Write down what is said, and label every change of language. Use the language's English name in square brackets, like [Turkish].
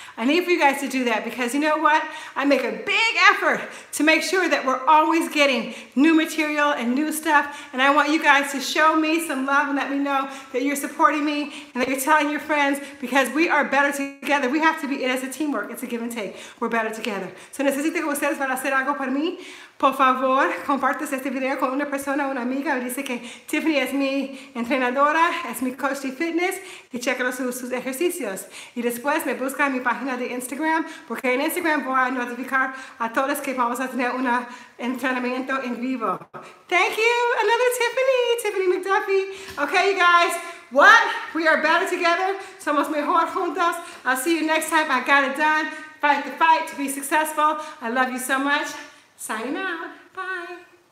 [English] I need for you guys to do that because you know what? I make a big effort to make sure that we're always getting new material and new stuff. And I want you guys to show me some love and let me know that you're supporting me and that you're telling your friends because we are better together. We have to be in as a teamwork. It's a give and take. We're better together. [Spanish] So necesito que ustedes van a hacer algo para mí. Por favor, compartas este video con una persona, una amiga. Dice que Tiffany es mi entrenadora, es mi coach de fitness. Y chequen sus ejercicios. Y después me busca en mi página de Instagram. Porque en Instagram voy a notificar a todos que vamos a tener un entrenamiento en vivo. [English] Thank you. Another Tiffany. Tiffany McDuffie. Okay, you guys. What? We are better together. [Spanish] Somos mejor juntos. [English] I'll see you next time. I got it done. fight the fight to be successful. I love you so much. Signing out. Bye.